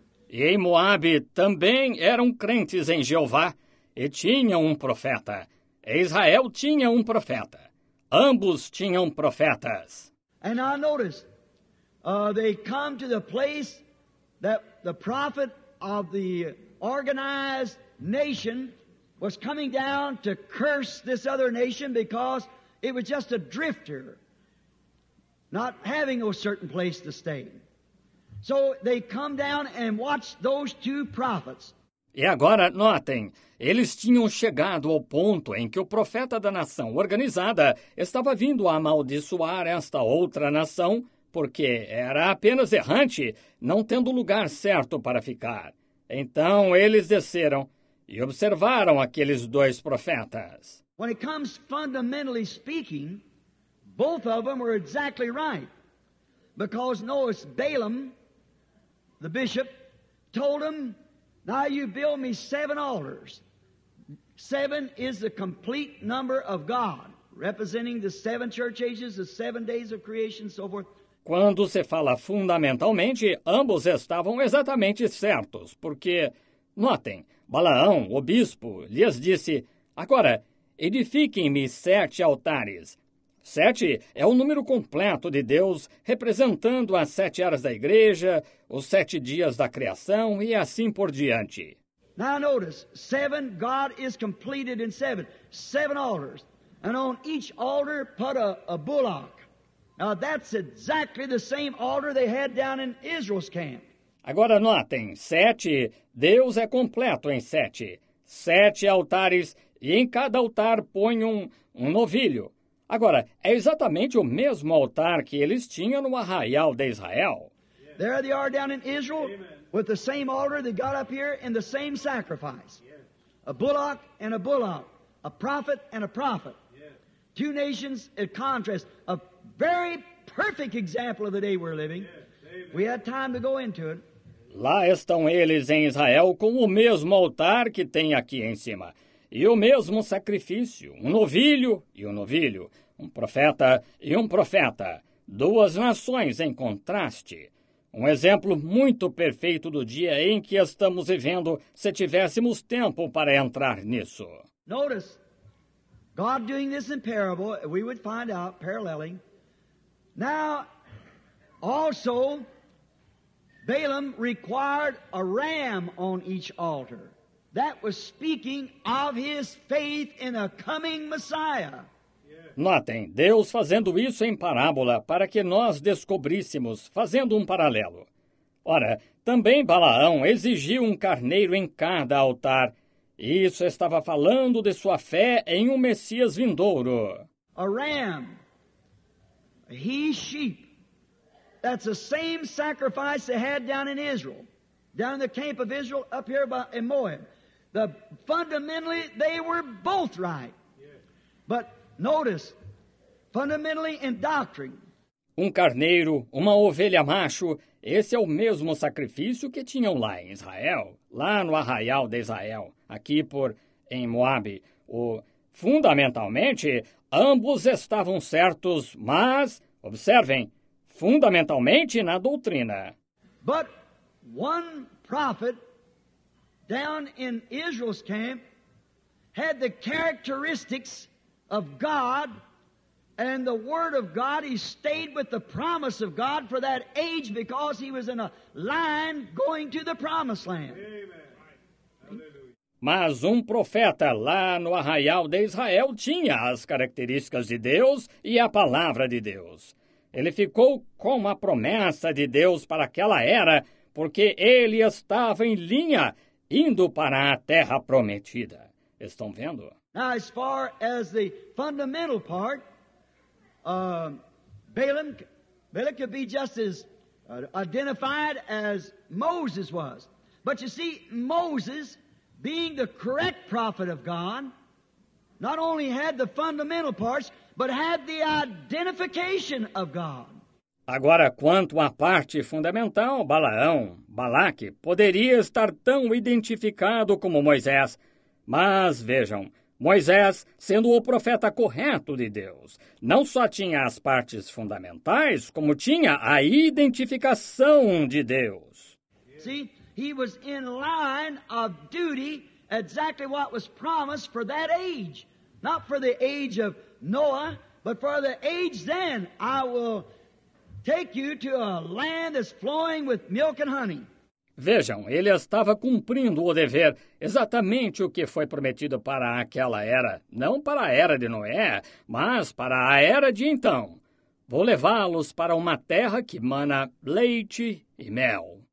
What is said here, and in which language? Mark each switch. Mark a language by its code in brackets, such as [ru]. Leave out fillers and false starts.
[pt] E em Moab também eram crentes em Jeová e tinham um profeta. E Israel tinha um profeta. Ambos tinham profetas. [en] And I noticed, they come to the place that the prophet of the organized nation was coming down to curse this other nation because it was just a drifter, not having a certain place to stay. So they come down and watch those two prophets. [pt] E agora, notem, eles tinham chegado ao ponto em que o profeta da nação organizada estava vindo a amaldiçoar esta outra nação, porque era apenas errante, não tendo lugar certo para ficar. Então eles desceram e observaram aqueles dois profetas. [en] When it comes fundamentally speaking, both of them were exactly right. Because Noah's Balaam, the bishop, told him, Now you build me seven altars. Seven is the complete number of God, representing the seven church ages, the seven days of creation, so forth. [pt] Quando se fala fundamentalmente, ambos estavam exatamente certos, porque, notem, Balaão, o bispo, lhes disse, agora, edifiquem-me sete altares. Sete é o número completo de Deus, representando as sete eras da igreja, os sete dias da criação e assim por diante. [en] Now notice, seven, God is completed in seven. Seven altars. And on each altar, put a bullock. Now that's exactly the same altar they had down in Israel's camp. [pt] Agora notem, sete, Deus é completo em sete. Sete altares, e em cada altar põe um novilho. Agora, é exatamente o mesmo altar que eles tinham no arraial de Israel. [en] There they are down in Israel. Amen. With the same altar that got up here and the same sacrifice. A bullock and a bullock. A prophet and a prophet. Two nations in contrast. A very perfect example of the day we're living. We had time to go into it. [pt] Lá estão eles em Israel com o mesmo altar que tem aqui em cima. E o mesmo sacrifício. Um novilho e um novilho. Um profeta e um profeta. Duas nações em contraste. Um exemplo muito perfeito do dia em que estamos vivendo, se tivéssemos tempo para entrar nisso. [en] Notice, God doing this in parable, we would find out, paralleling. Now, also, Balaam required a ram on each altar. That was speaking of his faith in a coming Messiah. [pt] Notem, Deus fazendo isso em parábola para que nós descobríssemos, fazendo um paralelo. Ora, também Balaão exigiu um carneiro em cada altar. Isso estava falando de sua fé em um Messias vindouro. [en] A ram, a he sheep, that's the same sacrifice they had down in Israel, down in the camp of Israel, up here by Moab. The fundamentally, they were both right. But notice, fundamentally in doctrine. [pt] Um carneiro, uma ovelha macho, esse é o mesmo sacrifício que tinham lá em Israel, lá no arraial de Israel, aqui em Moab. Fundamentalmente, ambos estavam certos, mas, observem, fundamentalmente na doutrina. [en] But one prophet down in Israel's camp had the characteristics of God, and the Word of God, he stayed with the promise of God for that age because he was in a line going to the promised land. Amen. Hallelujah. [pt] Mas profeta lá no arraial de Israel tinha as características de Deus e a palavra de Deus. Ele ficou com a promessa de Deus para aquela era, porque ele estava em linha, indo para a terra prometida. Estão vendo? [en] Now, as far as the fundamental part, Balaam could be just as identified as Moses was. But you see, Moses, being the correct prophet of God, not only had the fundamental parts, but had the identification of God. [pt] Agora, quanto à parte fundamental, Balaque, poderia estar tão identificado como Moisés. Mas, vejam, Moisés, sendo o profeta correto de Deus, não só tinha as partes fundamentais, como tinha a identificação de Deus. [en] See, he was in line of duty, exactly what was promised for that age. Not for the age of Noah, but for the age then. I will take you to a land that's flowing with milk and honey. [pt] Vejam, ele estava cumprindo o dever, exatamente o que foi prometido para aquela era, não para a era de Noé, mas para a era de então. Vou levá-los para uma terra que mana leite e mel.